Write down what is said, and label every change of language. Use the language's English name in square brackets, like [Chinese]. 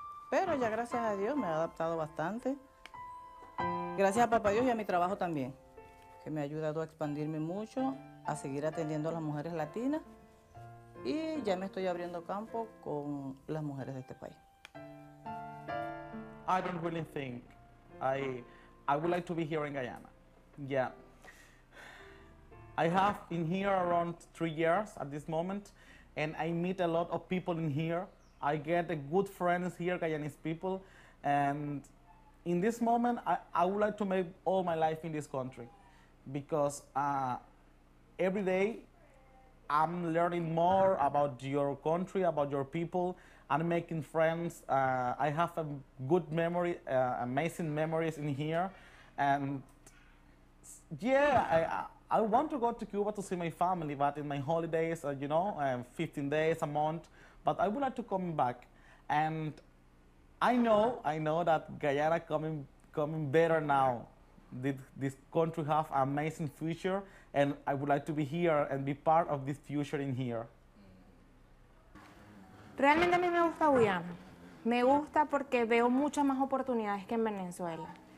[Spanish] Pero ya gracias a Dios me he adaptado bastante. Gracias a Papá Dios y a mi trabajo también, que me ha ayudado a expandirme mucho, a seguir atendiendo a las mujeres latinas y ya me estoy abriendo campo con las mujeres de este país. [English] I don't really think I would like to be here in Guyana. Yeah. I have in here around 3 years at this moment, and I meet a lot of people in here. I get a good friends here, Guyanese people, and in this moment, I would like to make all my life in this country, because every day I'm learning more about your country, about your people, and making friends. I have a good memory, amazing memories in here, and yeah, I want to go to Cuba to see my family, but in my holidays, 15 days, a month, but I would like to come back. And I know that Guyana coming better now. This country has an amazing future, and I would like to be here and be part of this future in here. [Spanish] Realmente a mí me gusta Guyana. Me gusta porque veo muchas más oportunidades que en Venezuela.